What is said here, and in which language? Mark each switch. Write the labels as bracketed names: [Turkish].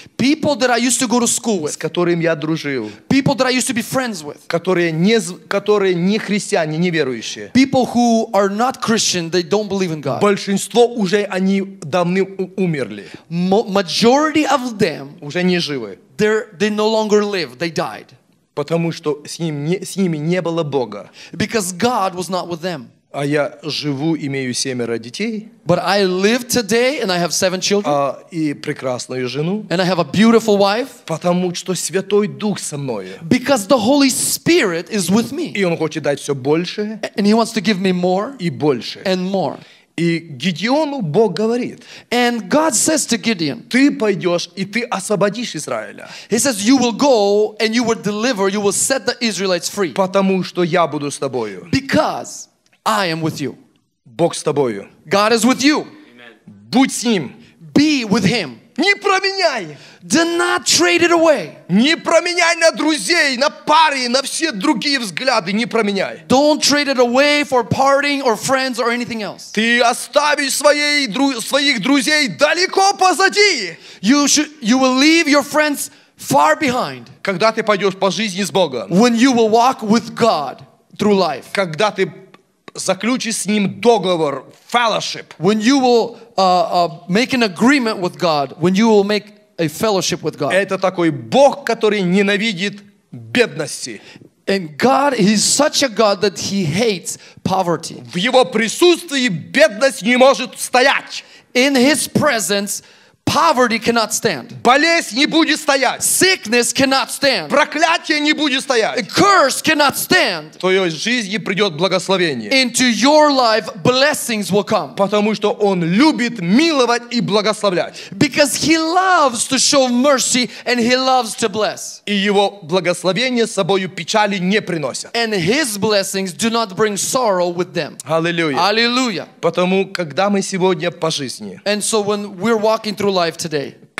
[English] People that I used to go to school with. [Russian] С которыми я дружил. [English] People that I used to be friends with. [Russian] Которые не христиане, не верующие. [English] People who are not Christian, they don't believe in God. [Russian] Большинство уже они давно умерли. [English] Majority of them [Russian] уже не живы. [English] They no longer live. They died. [Russian] Потому что с ними не было Бога. [English] Because God was not with them. [Russian] А я живу, имею семеро детей. [English] But I live today and I have seven children. [Russian] И прекрасную жену. [English] And I have a beautiful wife. [Russian] Потому что Святой Дух со мной. [English] Because the Holy Spirit is with me. [Russian] И он хочет дать все больше. [English] And he wants to give me more. [Russian] И больше. [English] And more. [Russian] И Гедеону Бог говорит. [English] And God says to Gideon. [Russian] Ты пойдешь и ты освободишь Израиля. [English] He says you will go and you will deliver, you will set the Israelites free. [Russian] Потому что я буду с тобою. [English] Because I am with you. [Russian] Бог с тобою. [English] God is with you. [Russian] Amen. Будь с ним. [English] Be with him. [Russian] Не променяй. [English] Do not trade it away. [Russian] Не променяй на друзей, на пары, на все другие взгляды. Не променяй. [English] Don't trade it away for partying or friends or anything else. [Russian] Ты оставишь своих друзей далеко позади. [English] You will leave your friends far behind. [Russian] Когда ты пойдешь по жизни с Богом. [English] When you will walk with God through life. [Russian] Когда ты заключить с ним договор, fellowship. [English] When you will make an agreement with God, when you will make a fellowship with God. [Russian] Это такой Бог, который ненавидит бедности. [English] And God is such a God that he hates poverty. [Russian] В его присутствии бедность не может стоять. [English] In his presence, poverty cannot stand. [Russian] Болезнь не будет стоять. [English] Sickness cannot stand. [Russian] Проклятие не будет стоять. [English] A curse cannot stand. [Russian] В твоей жизни придет благословение. [English] Into your life, blessings will come. [Russian] Потому что он любит миловать и благословлять. [English] Because he loves to show mercy and he loves to bless. [Russian] И его благословение с собою печали не приносят. [English] And his blessings do not bring sorrow with them. [Russian] Аллилуйя. Аллилуйя. Потому когда мы сегодня по жизни. [English] And so when we're walking through life today.